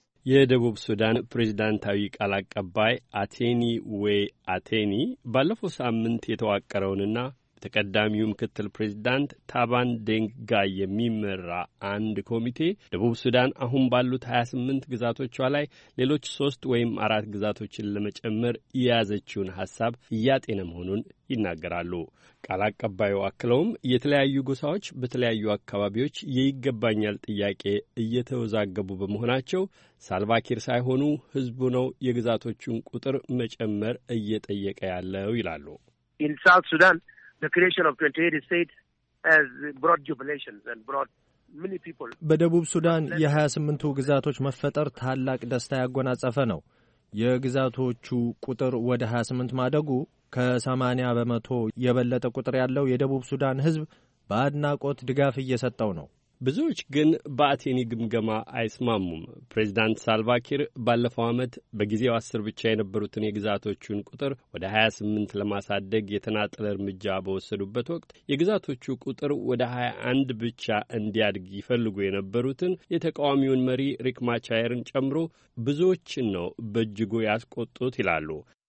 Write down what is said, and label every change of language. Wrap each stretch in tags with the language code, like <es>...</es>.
<am>የደቡብ ሱዳን ፕሬዝዳንታዊ ቃል አቀባይ አቴኒ ዌይ አቴኒ ባለፈው ሳምንት የተዋቀረውንና ተቀዳሚው ምክትል ፕሬዝዳንት ታባን ደንጋ የሚመራ አንድ ኮሚቴ ደቡብ ሱዳን አሁን ባሉት 28 ግዛቶቿ ላይ ሌሎች 3 ወይም 4 ግዛቶችን ለመጨመር ያዘችውን ሐሳብ እያጤነ መሆኑን ይናገራሉ። ቃል አቀባዩ አክለውም የተለያዩ ጎሳዎች በተለያዩ አካባቢዎች የይገባኛል ጥያቄ እየተወዛገቡ በመሆናቸው ሳልቫኪር ሳይሆኑ ህዝቡ ነው የግዛቶቹን ቁጥር መጨመር እየጠየቀ ያለው ይላሉ።</am> <en>In South Sudan, the creation of 28 states has brought jubilations and brought many people.</en> <am>በደቡብ ሱዳን የ28ቱ ግዛቶች መፈጠር ታላቅ ደስታ ያጎናጸፈ ነው። የግዛቶቹ ቁጥር ወደ 28 ማደጉ ከ80 በመቶ የበለጠ ቁጥር ያለው የደቡብ ሱዳን ህዝብ በአድናቆት ድጋፍ እየሰጠው ነው። ብዙዎች ግን በአቴኒ ግምገማ አይስማሙም። ፕሬዝዳንት ሳልቫኪር ባለፈው ዓመት በጊዜው 10 ብቻ የነበሩትን የግዛቶቹን ቁጥር ወደ 28 ለማሳደግ የተናጠለ እርምጃ በወሰዱበት ወቅት የግዛቶቹ ቁጥር ወደ 21 ብቻ እንዲያድግ ይፈልጉ የነበሩትን የተቃዋሚውን መሪ ሪክ ማቻየርን ጨምሮ ብዙዎችን ነው በእጅጉ ያስቆጡት ይላሉ።</am>